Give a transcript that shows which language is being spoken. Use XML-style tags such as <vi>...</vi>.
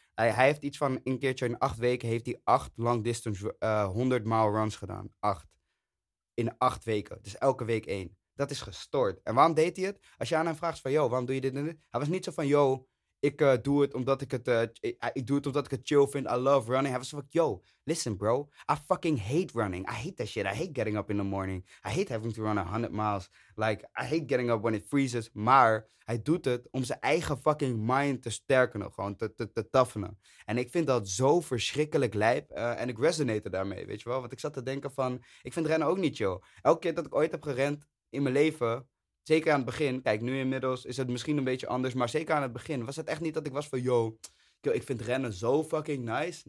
<nl>Hij heeft iets van een keertje in 8 weken heeft hij 8 long distance 100 mile runs gedaan. 8. In 8 weken. Dus elke week 1. Dat is gestoord. En waarom deed hij het? Als je aan hem vraagt van, yo, waarom doe je dit en dit? Hij was niet zo van, yo, ik doe het omdat ik het ik doe het omdat ik het chill vind.</nl> <en>I love running.</en> <nl>Hij was zo van,</nl> <en>yo, listen bro, I fucking hate running. I hate that shit. I hate getting up in the morning. I hate having to run 100 miles. Like, I hate getting up when it freezes.</en> <nl>Maar hij doet het om zijn eigen fucking mind te sterken. Gewoon te toughenen. En ik vind dat zo verschrikkelijk lijp. En ik resonate daarmee, weet je wel. Want ik zat te denken van, ik vind rennen ook niet chill. Elke keer dat ik ooit heb gerend in mijn leven, zeker aan het begin, kijk, nu inmiddels is het misschien een beetje anders, maar zeker aan het begin was het echt niet dat ik was van, yo, ik vind rennen zo fucking nice.</nl>